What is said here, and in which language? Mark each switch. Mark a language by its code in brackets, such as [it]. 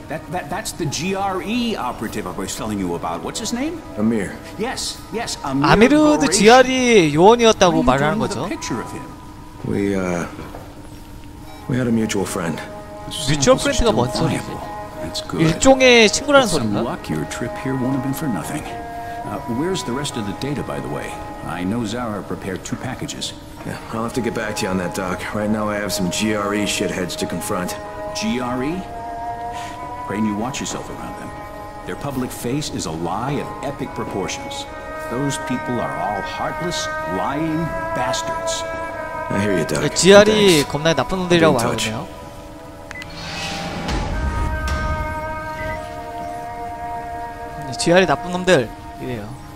[en] That's the GRE operative I was telling you about. What's his name? Amir. Yes, yes, Amir. [ko] 아미르도 GRE 요원이었다고 말하는 거죠. [en] We had a mutual friend. Mutual friend [ko] 가 뭔 소리야? [en] That's good. [ko] 일종의 친구라는 소린가? [en] Luck, your trip here won't have been for nothing. Where's the rest of the data, by the way? I know Zara prepared two packages. Yeah, I'll have to get back to you on that, Doc. Right now, I have some GRE shitheads to confront. GRE? Brain, you watch yourself around them. Their public face is a lie of epic proportions. Those people are all heartless, lying bastards. I hear you, Doc. [ko] GRE 겁나 나쁜 놈들이라고 말하네요. 지하리 나쁜 놈들 이래요.